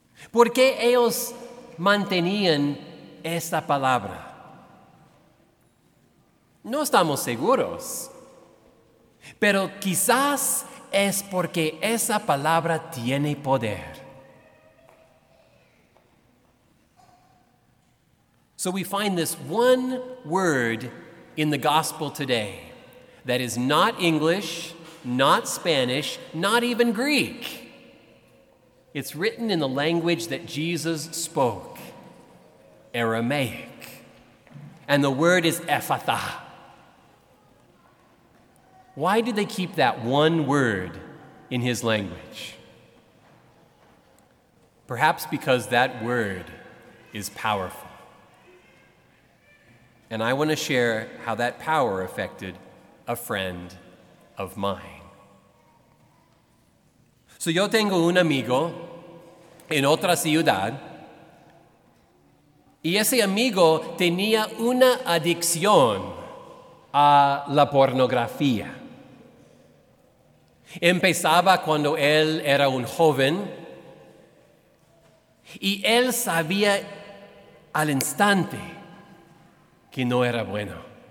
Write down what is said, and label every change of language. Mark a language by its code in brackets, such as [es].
[es] ¿Por qué ellos mantenían esta palabra? No estamos seguros, pero quizás es porque esa palabra tiene poder. [en] So we find this one word in the gospel today that is not English, not Spanish, not even Greek. It's written in the language that Jesus spoke, Aramaic. And the word is Ephatha. Why did they keep that one word in his language? Perhaps because that word is powerful. And I want to share how that power affected a friend of mine. [es] So yo tengo un amigo en otra ciudad y ese amigo tenía una adicción a la pornografía. Empezaba cuando él era un joven y él sabía al instante que no era bueno.